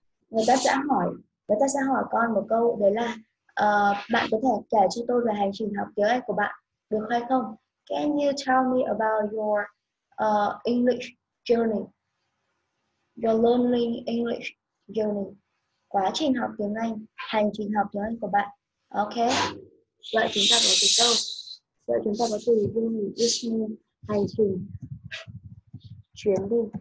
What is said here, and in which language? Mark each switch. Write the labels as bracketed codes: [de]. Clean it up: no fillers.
[vi] Người ta sẽ hỏi con một câu, đấy là bạn có thể kể cho tôi về hành trình học tiếng Anh của bạn được hay không? [en] Can you tell me about your English journey? Your learning English journey. [vi] Quá trình học tiếng Anh, hành trình học tiếng Anh của bạn. Ok. Vậy chúng ta có từ câu. Vậy chúng ta có từ journey, [en] which means [vi] hành trình. Chuyến đi.